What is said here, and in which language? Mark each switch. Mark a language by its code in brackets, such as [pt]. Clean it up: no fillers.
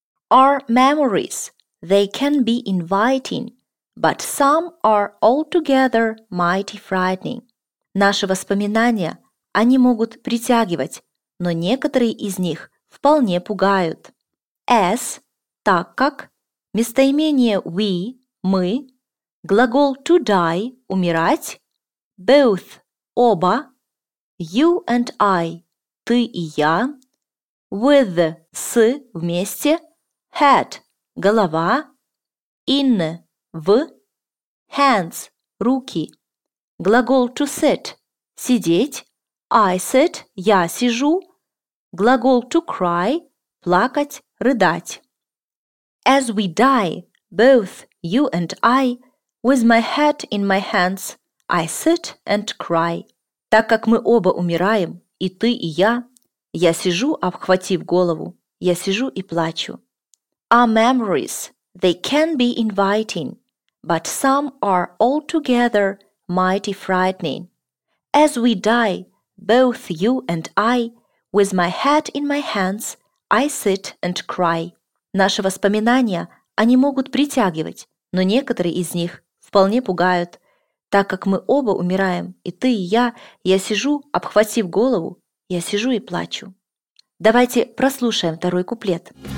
[en] Our memories – they can be inviting, but some are altogether mighty frightening. [ru] Наши воспоминания – они могут притягивать, но некоторые из них вполне пугают. [en] As [ru] – так как. Местоимение we – мы. Глагол to die – умирать. [en] Both. [ru] Оба, [en] you and I, [ru] ты и я, [en] with, [ru] с, вместе, [en] head, [ru] голова, [en] in, [ru] в, [en] hands, [ru] руки. Глагол to sit, сидеть, [en] I sit, я сижу. [ru] Глагол to cry, плакать, рыдать. [en] As we die, both you and I, with my head in my hands, I sit and cry. [ru] Так как мы оба умираем, и ты, и я сижу, обхватив голову, я сижу и плачу. [en] Our memories, they can be inviting, but some are altogether mighty frightening. As we die, both you and I, With my head in my hands, I sit and cry. [ru] Наши воспоминания, они могут притягивать, но некоторые из них вполне пугают. Так как мы оба умираем, и ты, и я сижу, обхватив голову, я сижу и плачу. Давайте прослушаем второй куплет.